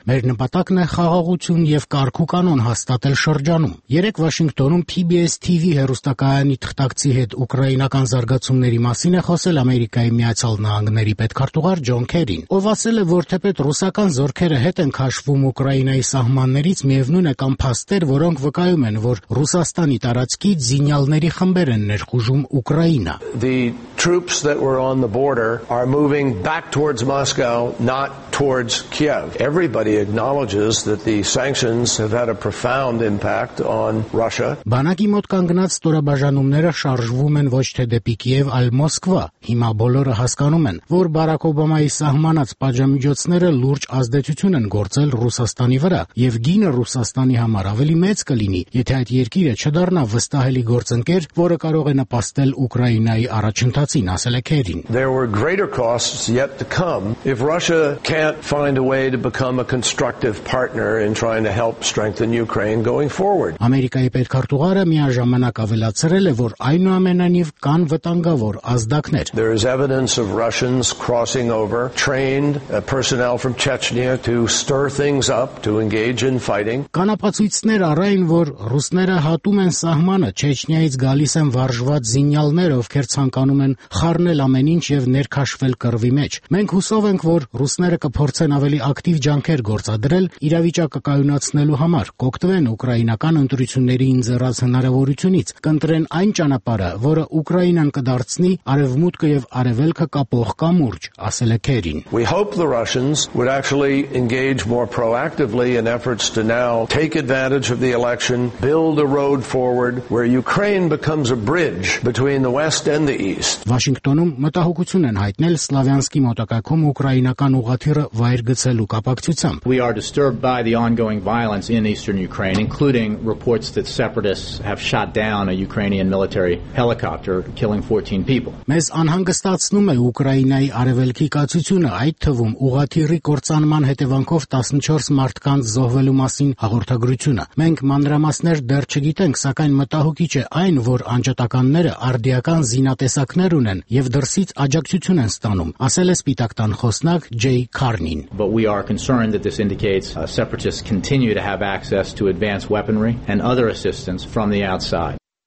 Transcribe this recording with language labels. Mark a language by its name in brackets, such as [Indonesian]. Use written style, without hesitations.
[Armenian] Մեր նպատակն է խաղաղություն և կարգու կանոն հաստատել շրջանում։ Երեկ Վաշինգտոնում PBS TV հեռուստակայանի թղթակցի հետ ուկրաինական զարգացումների մասին է խոսել Ամերիկայի Միացյալ Նահանգների պետքարտուղար Ջոն Քերին, ով ասել է, որ թեպետ ռուսական զորքերը հետ են քաշվում Ուկրաինայի սահմաններից, միևնույն է, կամ փաստեր, որոնք վկայում են, որ Ռուսաստանի տարածքի զինյալների խմբեր են ներխուժում Ուկրաինա։ [English] The troops that were on the border are moving back towards Moscow, not towards Kiev. Everybody acknowledges that the sanctions have had a profound impact on Russia. [Armenian] Բանակի մոտ կանգնած ստորաբաժանումները շարժվում են ոչ թե դեպի Կիև, այլ Մոսկվա։ Հիմա բոլորը հասկանում են, որ Բարակ Օբամայի սահմանած պատժամիջոցները լուրջ ազդեցություն են գործել Ռուսաստանի վրա, եւ գինը Ռուսաստանի համար ավելի մեծ կլինի, եթե այդ երկիրը չդառնա վստահելի գործընկեր, որը կարող է նպաստել Ուկրաինայի առաջընթացին, ասել է Քերին։ [English] There were greater costs yet to come if Russia can't find a way to become a constructive partner in trying to help strengthen Ukraine going forward. [Armenian] Ամերիկայի պետքարտուղարը միաժամանակ ավելացրել է, որ այնուամենայնիվ կան վտանգավոր ազդակներ։ [English] There is evidence of Russians crossing over trained personnel from Chechnya to stir things up, to engage in fighting. [Armenian] Կանապացույցներ առ այն, որ ռուսները հատում են սահմանը, Չեչնիայից գալիս են վարժված զինյալներ, ովքեր ցանկանում են խառնել ամեն ինչ եւ ներքաշվել կռվի մեջ։ Մենք հուսով ենք, որ ռուսները կը կփորձեն ավելի ակտիվ ջանքեր գործադրել իրավիճակը կայունացնելու համար, կօգտվեն ուկրաինական ընտրությունների ինձեռած հնարավորությունից, կընտրեն այն ճանապարհը, որը Ուկրաինան կդարձնի արևմուտքը եւ արևելքը կապող կամուրջ, ասել է Քերին։ [English] We hope the Russians would actually engage more proactively in efforts to now take advantage of the election, build a road forward where Ukraine becomes a bridge between the West and the East. [Armenian] Վաշինգտոնում մտահոգություն են հայտնել Սլավյանսկի մոտակայքում ուկրաինական ուղղաթիռը վայր գցելու կապակցությամբ։ [English] We are disturbed by the ongoing violence in eastern Ukraine, including reports that separatists have shot down a Ukrainian military helicopter, killing 14 people. [Armenian] Մեզ անհանգստացնում է Ուկրաինայի արևելքի կացությունը, այդ թվում ուղղաթիռի կործանման հետևանքով 14 մարդկանց զոհվելու մասին հաղորդագրությունը։ Մենք մանրամասներ դեռ չգիտենք, սակայն մտահոգիչ է այն, որ անջատականները արդիական զինատեսակներ ունեն եւ դրսից աջակցություն են ստանում, ասել է Սպիտակ տան խոսնակ Ջեյ Քարնին։ [English] But we are concerned that this indicates separatists continue to have access to advanced weaponry and other assistance from the outside.